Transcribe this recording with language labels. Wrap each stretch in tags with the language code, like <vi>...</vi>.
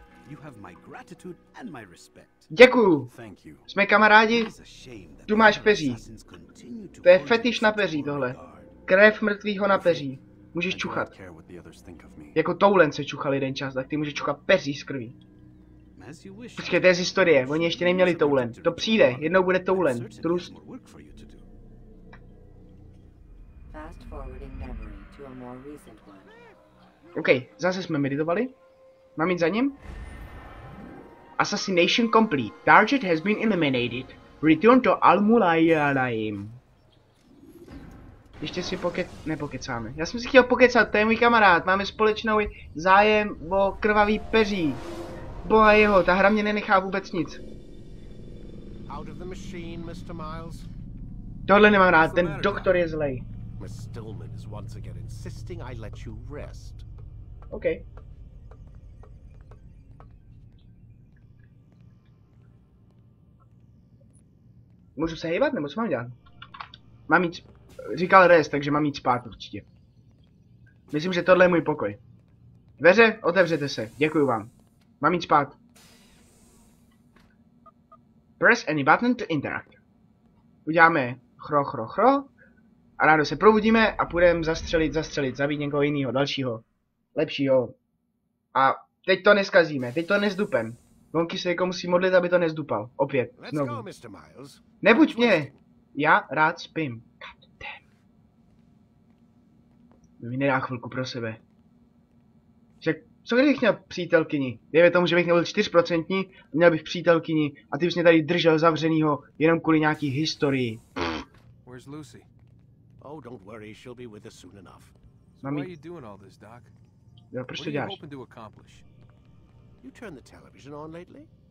<en>You have my gratitude and my respect.</en> <cs>Děkuju.</cs> <en>Thank you.</en> <cs>Jsme kamarádi. Tu máš peří. To je fetiš na peří tohle. Krev mrtvýho na peří. Můžeš čuchat. Jako Toulen se čuchal jeden čas, tak ty můžeš čuchat peří z krví. Počkej, to je z historie. Oni ještě neměli Toulen. To přijde. Jednou bude Toulen. Trust.</cs> <en>Fast forwarding memory to a more recent one.</en> <cs>OK, zase jsme meditovali. Mám jít za ním?</cs> <en>Assassination complete. Target has been eliminated. Return to Al-Mulayalaim.</en> <cs>Ještě si nepokecáme. Já jsem si chtěl pokecat, to je můj kamarád. Máme společnou zájem o krvavý peří. Boha jeho, ta hra mě nenechá vůbec nic.</cs> <en>Out of the machine, Mr. Miles.</en> <cs>Tohle nemám rád, ten doktor je zlej.</cs> <en>Miss Stillman is once again insisting I let you rest. OK.</en> <cs>Můžu se hejbat, nebo co mám dělat? Mám jít, říkal rest, takže mám jít spát určitě. Myslím, že tohle je můj pokoj. Dveře, otevřete se, děkuju vám. Mám jít spát.</cs> <en>Press any button to interact.</en> <cs>Uděláme chro, chro, chro. A rádo se probudíme a půjdeme zastřelit, zabít někoho jiného, dalšího, lepšího. A teď to neskazíme, teď to nezdupem. Vonky se jako musí modlit, aby to nezdupal. Opět, znovu. Nebuď mě! Já rád spím.</cs> <en>God damn.</en> <cs>To mi nedá chvilku pro sebe. Však, co kdybych měl přítelkyni? Dejme tomu, že bych nebyl 4%, měl bych přítelkyni a ty bys mě tady držel zavřenýho jenom kvůli nějaký historii.</cs> <en>Where's Lucy? Oh, don't worry, she'll be with us soon enough. So why are you doing all this, Doc?</en> <cs>Jo, proč to děláš?</cs> <en>What are you hoping to accomplish? You turn the television on lately?</en>